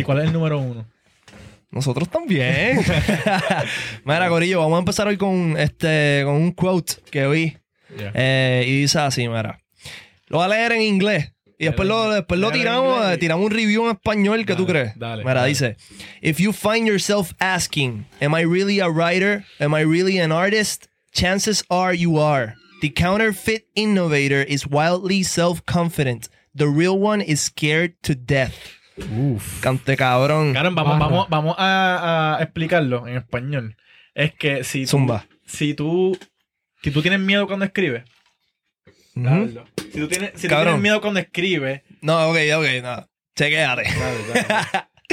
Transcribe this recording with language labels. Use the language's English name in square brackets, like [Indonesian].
[Spanish] ¿Y cuál es el número uno? Nosotros también. Mira, Corillo, vamos a empezar hoy con con un quote que vi. Yeah. Y dice así, mira. Lo voy a leer en inglés. Y después lo tiramos un review en español, ¿qué dale, tú crees? Dale. Mira, dale. [English] Dice, if you find yourself asking, am I really a writer? Am I really an artist? Chances are you are. The counterfeit innovator is wildly self-confident. The real one is scared to death. Uf. [Spanish] Cante cabrón. Cabrón, vamos a explicarlo en español. Es que si tú, Zumba. Si tú tienes miedo cuando escribes, mm-hmm. Si tú tienes miedo cuando escribes. No, ok, no. Chequéate. Dale.